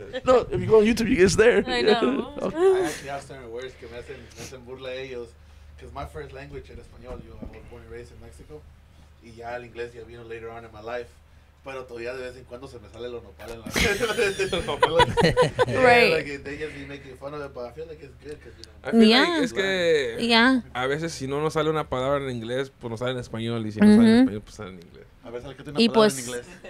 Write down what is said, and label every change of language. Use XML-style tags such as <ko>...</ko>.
<en>No, if you go on YouTube, you get there. I know. Okay. I actually have certain words</en> <es>que me hacen burla a ellos.</es> <en>Because my first language</en> <es>era español.</es> <en>You know, I was born and raised in Mexico.</en> <es>Y ya el inglés ya vino</es> <en>later on in my life.</en> <es>Pero todavía de vez en cuando se me sale lo nopal en la</es> <en>Right. Yeah, like, they just be making fun of it, but I feel like it's good. Because, you know, yeah. Like,</en> <es>es que...</es> <en>Yeah.</en> <es>A veces si no nos sale una palabra en inglés, pues nos sale en español. Y si no sale en español, pues sale en inglés. A veces le quito una palabra en inglés.</es>